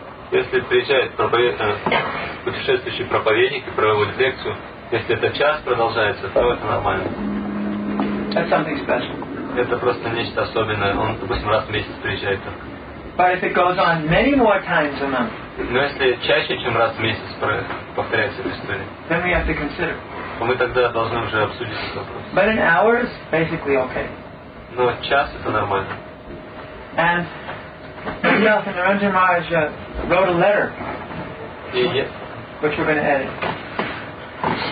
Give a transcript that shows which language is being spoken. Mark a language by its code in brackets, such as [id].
[ru] Если приезжает путешествующий проповедник и проводит лекцию, если это час продолжается, то это нормально. [en] That's something special. [ru] Это просто нечто особенное. Он, допустим, раз в месяц приезжает там. [en] But if it goes on many more times a month. [ru] Но если чаще, чем раз в месяц повторяется эта история. [en] Then we have to consider. [ru] То мы тогда должны уже обсудить этот вопрос. [en] But an hour is basically okay. [ru] Но час это нормально. [en] And Rudolf and Narendra Maharaj wrote a letter. Which we're going to edit.